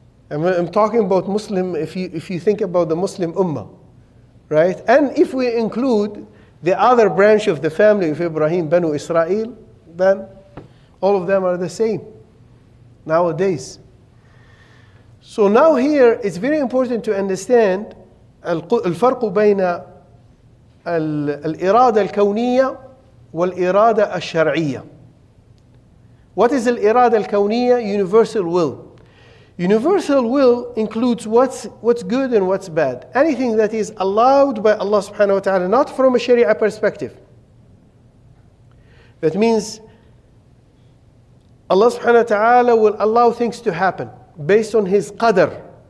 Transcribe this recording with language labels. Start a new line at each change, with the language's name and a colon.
English: And I'm talking about Muslim, if you think about the Muslim Ummah, right? And if we include the other branch of the family of Ibrahim, Banu Israel, then all of them are the same nowadays. So now here, it's very important to understand
Arabic: الفرق بين الإرادة الكونية والإرادة الشرعية.
English: What is
Arabic: الإرادة الكونية?
English: Universal will. Universal will includes what's good and what's bad. Anything that is allowed by Allah subhanahu wa ta'ala, not from a Sharia perspective. That means Allah subhanahu wa ta'ala will allow things to happen based on His qadr.